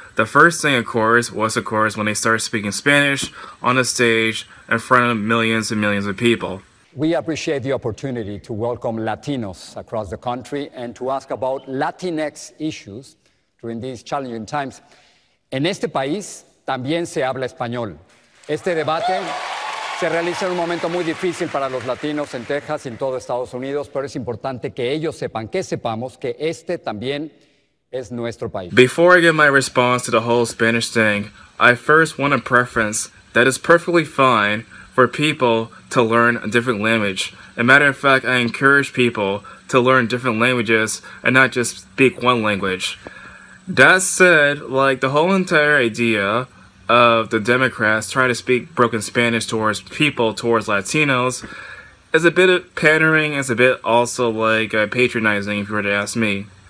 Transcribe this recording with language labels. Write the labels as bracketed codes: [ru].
[en] The first thing, was when they started speaking Spanish on a stage in front of millions and millions of people. We appreciate the opportunity to welcome Latinos across the country and to ask about Latinx issues during these challenging times. [es] En este país, también se habla español. Este debate se realiza en un momento muy difícil para los latinos en Texas y en todo Estados Unidos, pero es importante que ellos sepan, que sepamos que este también es nuestro país. [en] Before I give my response to the whole Spanish thing, I first want to preference that it's perfectly fine for people to learn a different language. As a matter of fact, I encourage people to learn different languages and not just speak one language. That said, like, the whole entire idea of the Democrats trying to speak broken Spanish towards people, towards Latinos, is a bit of pandering, is a bit also like patronizing, if you were to ask me.